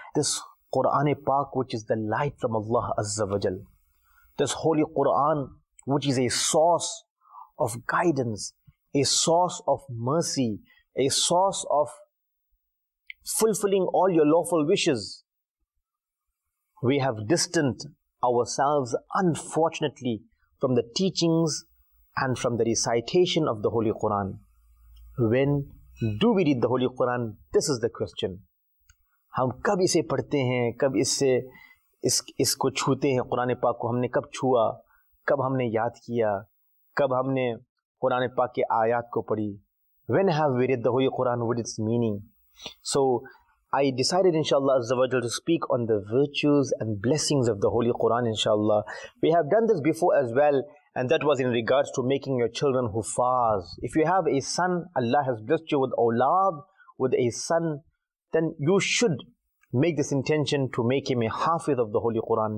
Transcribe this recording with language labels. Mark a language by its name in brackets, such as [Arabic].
[English] This Quran Pak, which is the light from Allah Azza wa Jal, this Holy Quran, which is a source of guidance, a source of mercy, a source of fulfilling all your lawful wishes. We have distanced ourselves, unfortunately, from the teachings and from the recitation of the Holy Quran. When do we read the Holy Quran? This is the question. [Urdu] ہم کب اسے پڑھتے ہیں, کب اس سے اس کو چھوتے ہیں, قرآن پاک کو ہم نے کب چھوا, کب ہم نے یاد کیا, کب ہم نے قرآن پاک کے آیات کو پڑھی. [English] When have we read the Holy Quran with its meaning? So I decided inshallah azzawajal to speak on the virtues and blessings of the Holy Quran inshallah. We have done this before as well, and that was in regards to making your children huffaz. If you have a son, Allah has blessed you with awlad, with a son, then you should make this intention to make him a hafiz of the Holy Quran.